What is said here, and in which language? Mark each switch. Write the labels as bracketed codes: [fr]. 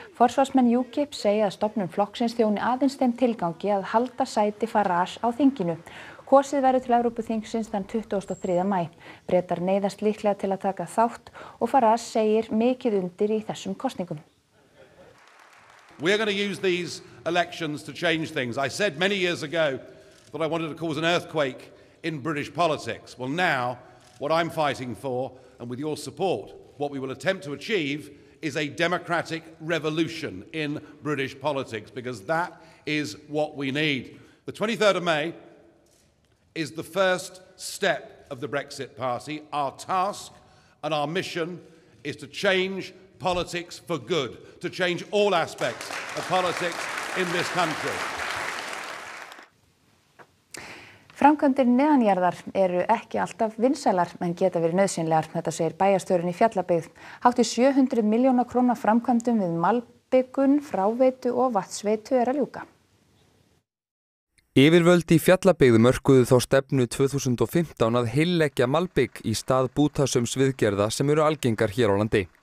[is] Forsvarsmenn UKIP segja að stofnun flokksins þjóni aðeins þeim tilgangi að halda sæti Farage á þinginu. Kosið verður til Evrópuþingsins þann 23. maí. Bretar neyðast líklega til að taka þátt og Farage segir mikið undir í þessum kosningum. [en] We are going to use these elections to change things. I said many years ago that I wanted to cause an earthquake in British politics. Well now, what I'm fighting for and with your support, what we will attempt to achieve is a democratic revolution in British politics because that is what we need. The 23rd of May is the first step of the Brexit Party. Our task and our mission is to change politics for good, to change all aspects of politics in this country. [is] Framkvæmdir neðanjarðar eru ekki alltaf vinsælar en geta verið nauðsynlegar, þetta segir bæjarstjórinn í Fjallabyggð. Hátt í 700 milljóna króna framkvæmdum við malbyggun, fráveitu og vatnsveitu er að ljúka. Yfirvöld í Fjallabyggð mörkuðu þá stefnu 2015 að heilleggja malbygg í stað bútasaums viðgerða sem eru algengar hér á landi.